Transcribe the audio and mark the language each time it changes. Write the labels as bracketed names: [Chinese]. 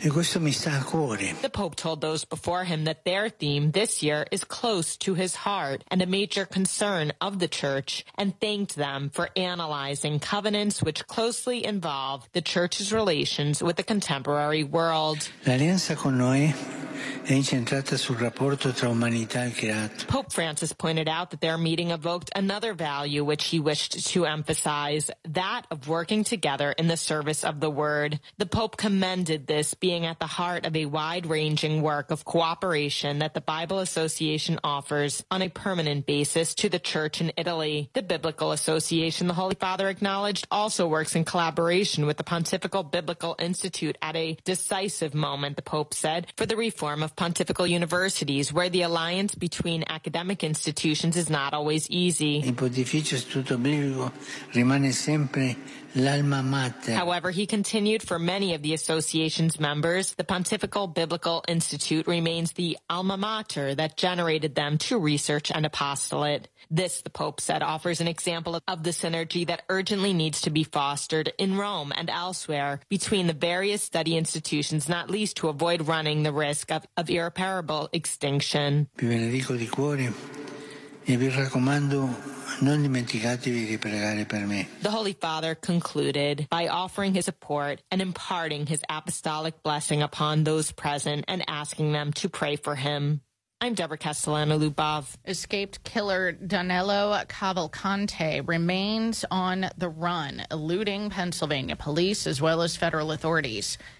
[Italian] E questo mi sta a cuore. [English] The Pope told those before him that their theme this year is close to his heart and a major concern of the church, and thanked them for analyzing covenants which closely involve the church's relations with the contemporary world. [Italian] L'alleanza con noi è incentrata sul rapporto tra umanità e creato. [English] Pope Francis pointed out that their meeting evoked another value which he wished to emphasize, that of working together in the service of the word. The Pope commended this being at the heart of a wide-ranging work of cooperation that the Bible Association offers on a permanent basis to the church in Italy. The Biblical Association, the Holy Father acknowledged, also works in collaboration with the Pontifical Biblical Institute at a decisive moment, the Pope said, for the reform of pontifical universities, where the alliance between academic institutions is not always easy. [Italian] Il pontificio istituto biblico rimane sempre l'alma mater. [English] However, he continued, for many of the association's members, the Pontifical Biblical Institute remains the alma mater that generated them to research and apostolate. This, the Pope said, offers an example of the synergy that urgently needs to be fostered in Rome and elsewhere between the various study institutions, not least to avoid running the risk of irreparable extinction. [Italian] Vi benedico di cuore e vi raccomando, non dimenticatevi di pregare per me. [English] The Holy Father concluded by offering his support and imparting his apostolic blessing upon those present and asking them to pray for him. I'm Deborah Castellano-Lubov. Escaped killer Danilo Cavalcante remains on the run, eluding Pennsylvania police as well as federal authorities.